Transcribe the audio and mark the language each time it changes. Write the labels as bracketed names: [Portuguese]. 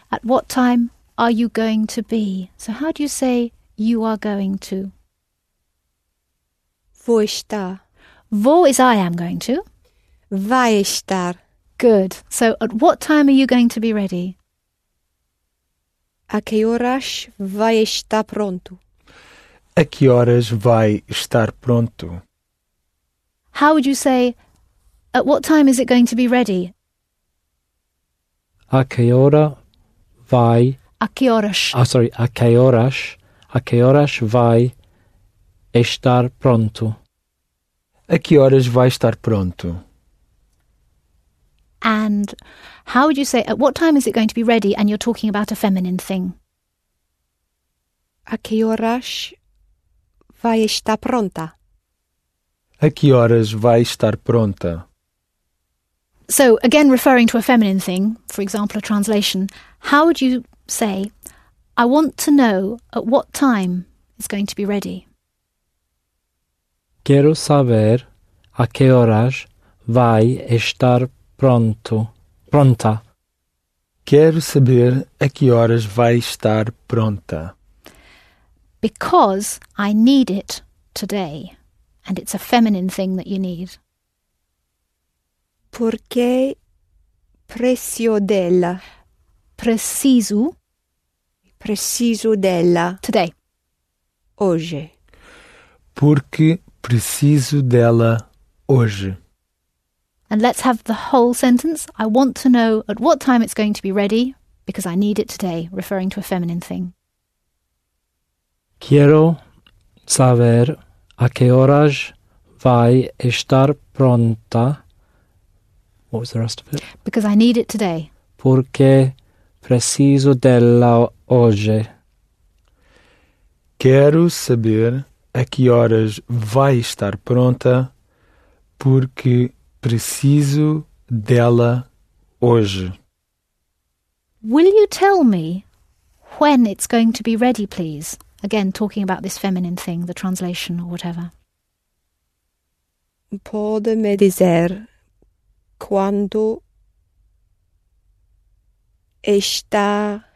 [English] At what time are you going to be? So how do you say you are going to? [Portuguese] Vou estar. [English] Vou is I am going to. [Portuguese] Vai estar. [English] Good. So at what time are you going to be ready? [Portuguese] A que horas vai estar pronto? A que horas vai estar pronto? [English] How would you say, at what time is it going to be ready? [Portuguese] A que hora vai... A que horas? [English] Oh, sorry, [Portuguese] a que horas? A que horas vai estar pronto? A que horas vai estar pronto? [English] And how would you say, at what time is it going to be ready? And you're talking about a feminine thing. [Portuguese] A que horas vai estar pronta? A que horas vai estar pronta? [English] So, again, referring to a feminine thing, for example, a translation, how would you say, I want to know at what time it's going to be ready? [Portuguese] Quero saber a que horas vai estar pronto. Pronta. Quero saber a que horas vai estar pronta. [English] Because I need it today. And it's a feminine thing that you need. [Portuguese] Porque preciso dela. preciso. Preciso dela. [English] Today. [Portuguese] Hoje. Porque preciso dela hoje. [English] And let's have the whole sentence. I want to know at what time it's going to be ready, because I need it today, referring to a feminine thing. [Portuguese] Quiero saber a qué horas vai estar pronta. [English] What was the rest of it? Because I need it today. [Portuguese] Porque preciso dela hoje. Quero saber a que horas vai estar pronta, porque preciso dela hoje. [English] Will you tell me when it's going to be ready, please? Again, talking about this feminine thing, the translation or whatever. [Portuguese] Pode me dizer quando está...